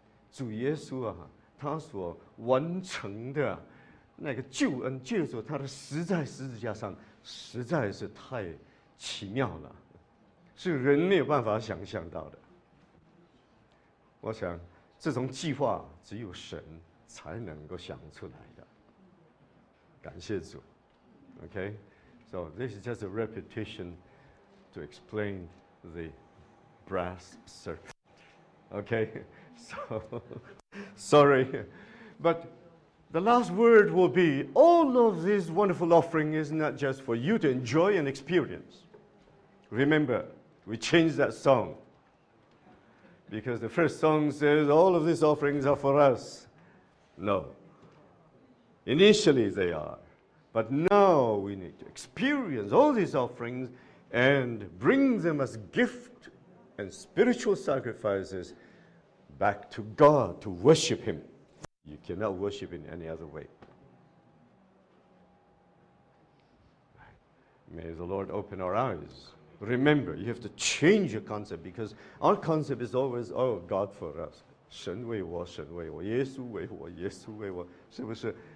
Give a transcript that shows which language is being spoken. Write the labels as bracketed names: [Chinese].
[Chinese] 主耶稣啊，他所完成的那个救恩，就是他的死在十字架上，实在是太奇妙了，是人没有办法想象到的。我想这种计划只有神才能够想出来的，感谢主。 [English] OK, so this is just a repetition to explain the brass serpent. OK, so sorry, but the last word will be, all of this wonderful offering is not just for you to enjoy and experience. Remember, we changed that song, because the first song says all of these offerings are for us. No. Initially they are. But now we need to experience all these offerings and bring them as gift and spiritual sacrifices back to God to worship Him. You cannot worship in any other way. May the Lord open our eyes. Remember, you have to change your concept, because our concept is always, oh, God for us. [Chinese] 神为我，神为我，耶稣为我，耶稣为我，是不是？